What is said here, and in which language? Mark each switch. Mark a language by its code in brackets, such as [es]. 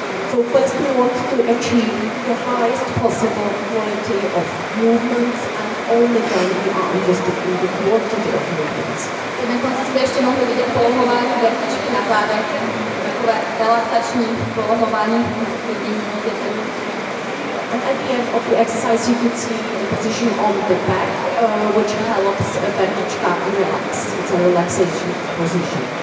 [en] So first we want to achieve the highest possible quality of movements and only then we are interested in the quantity of movements. [cs] Na konci jste ještě mohli vidět polohování vertičky na zádech, takové relaxační polohování vertičky. [en] And at the end of the exercise, you could see the position on the back, which helps a vertička relax. It's a relaxation position.